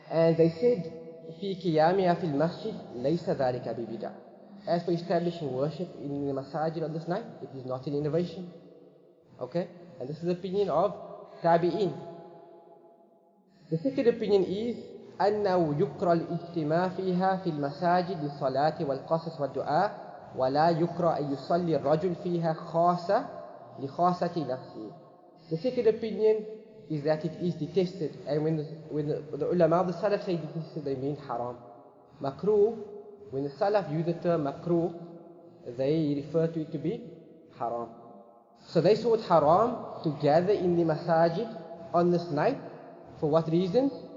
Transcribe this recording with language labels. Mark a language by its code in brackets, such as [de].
[en] And they said, [ar] في قيامها في المسجد ليس ذلك ببدع. [en] As for establishing worship in the masajid on this night, it is not an innovation. Okay? And this is the opinion of Tabi'in. The second opinion is, [ar] أنه يكرى الاجتماع فيها في المساجد للصلاة والقصص والدعاء ولا يكرى أن يصلي الرجل فيها خاصة. [en] The second opinion is that it is detested, and when the ulama of the Salaf say detested, they mean haram. Makruh, when the Salaf use the term makruh, they refer to it to be haram. So they saw it haram to gather in the masajid on this night. For what reason?